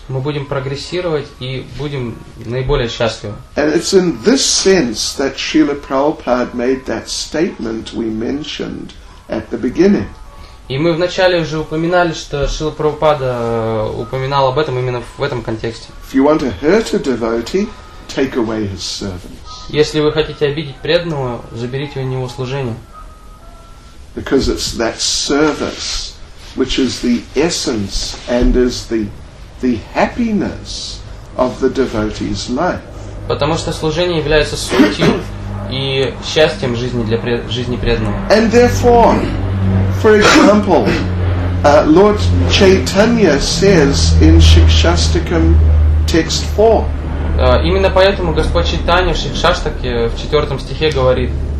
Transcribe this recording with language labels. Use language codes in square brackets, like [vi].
[ru] Мы будем прогрессировать и будем наиболее счастливы. [en] And it's in this sense that Srila Prabhupada made that statement we mentioned at the beginning. [ru] И мы вначале уже упоминали, что Шрила Прабхупада упоминал об этом именно в этом контексте. [en] If you want to hurt a devotee, take away his servants. [ru] Если вы хотите обидеть преданного, заберите у него служение. [en] Because it's that service which is the essence and is the happiness of the devotee's life. [ru] Потому что служение является сутью и счастьем жизни для жизни преданного. [en] And therefore, for example, Lord Chaitanya says in Shikshastakam text 4. [ru] Именно поэтому Господь Чайтанья в Шикшаштаке в 4 стихе говорит.